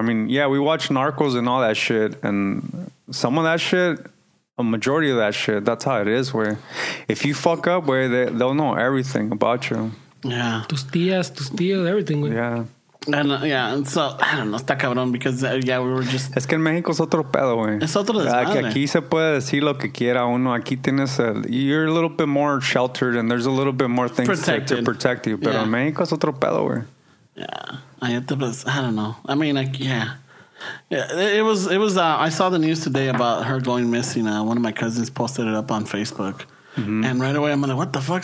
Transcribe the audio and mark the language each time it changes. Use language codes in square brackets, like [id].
[en] I mean, yeah, we watch Narcos and all that shit, and some of that shit, a majority of that shit, that's how it is, where if you fuck up, where they'll know everything about you. Yeah. [es] Tus tías, tus tíos, everything. Wey. [en] Yeah. And and so I don't know, [es] está cabrón, [en] because we were just. [es] Es que en México es otro pedo, güey. Es otro desmadre. Que aquí se puede decir lo que quiera uno. Aquí tienes [en] you're a little bit more sheltered, and there's a little bit more things to protect you. [es] Pero en México es otro pedo, güey. [en] Yeah, I don't know. I mean, I saw the news today about her going missing. One of my cousins posted it up on Facebook, and right away I'm like, what the fuck?